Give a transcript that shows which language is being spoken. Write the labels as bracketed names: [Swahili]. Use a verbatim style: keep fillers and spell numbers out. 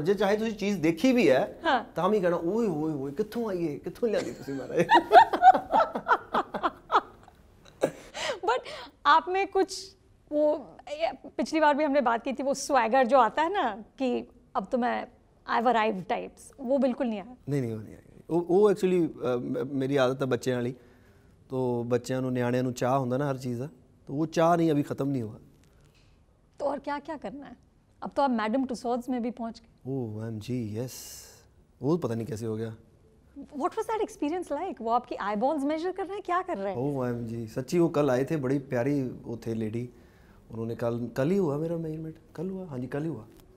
[Punjabi] ਜੇ ਚਾਹੇ ਤੁਸੀਂ ਚੀਜ਼ ਦੇਖੀ ਵੀ ਹੈ ਤਾਂ ਵੀ ਕਹਿਣਾ ਓਏ ਹੋਏ ਹੋਏ ਕਿੱਥੋਂ ਆਈਏ, ਕਿੱਥੋਂ ਲਿਆਂਦੀ ਤੁਸੀਂ ਮਹਾਰਾਜ। [Hindi] ਬਟ आप में कुछ वो, पिछली बार भी हमने बात की थी, वो स्वैगर जो आता है ना कि अब तो मैं [English] I have arrived types, [Hindi] वो बिल्कुल नहीं आया। नहीं नहीं वो नहीं आया। [Punjabi] ਉਹ ਉਹ ਐਕਚੁਅਲੀ ਮੇਰੀ ਆਦਤ ਹੈ ਬੱਚਿਆਂ ਵਾਲੀ। तो ਬੱਚਿਆਂ ਨੂੰ, ਨਿਆਣਿਆਂ ਨੂੰ ਚਾਹ ਹੁੰਦਾ ਨਾ ਹਰ ਚੀਜ਼ ਦਾ, [Hindi] तो वो चाह नहीं अभी ख़त्म नहीं हुआ। तो और क्या क्या करना है अब? तो आप मैडम टुसॉड्स में भी पहुंच गए। ओह एम जी यस, वो पता नहीं कैसे हो गया। [English] What was that experience like? [Hindi] वो आपकी आईबॉल्स मेजर कर रहे हैं, क्या कर रहे हैं? ओह एम जी सच्ची वो कल आए थे, बड़ी प्यारी वो थे लेडी। उन्होंने कल कल ही हुआ मेरा मेजरमेंट, कल हुआ हाँ जी, कल ही हुआ